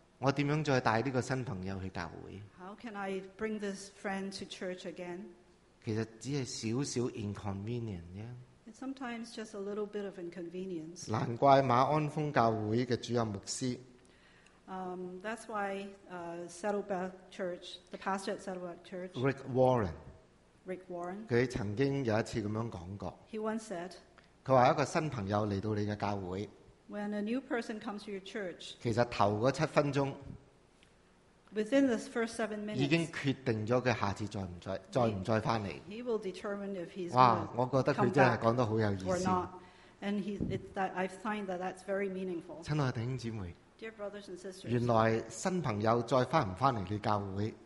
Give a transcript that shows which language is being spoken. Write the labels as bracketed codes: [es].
[yue] 我点样再带呢个新朋友去教会 [en] ？How can I bring this friend to church again？ [yue] 其实只系少少 inconvenient 啫。 [en] Sometimes just a little bit of inconvenience. [yue] 难怪马鞍峰教会嘅主任牧师。 [en] That's why Saddleback Church, the pastor at Saddleback Church, Rick Warren. [yue] 佢曾经有一次咁样讲过。 [en] He once said. [yue] 佢话一个新朋友嚟到你嘅教会。 [en] When a new person comes to your church. [yue] 其实头嗰七分钟。 [en] Within the first 7 minutes, [yue] 已经决定咗佢下次再唔再再唔再翻嚟。 [en] He will determine if he's. [yue] 哇，我觉得佢真系讲得好有意思。 [en] Or not, and he it that I find that that's very meaningful. [yue] 亲爱的弟兄姊妹 [en] ，Dear brothers and sisters, [yue] 原来新朋友再翻唔翻嚟嘅教会。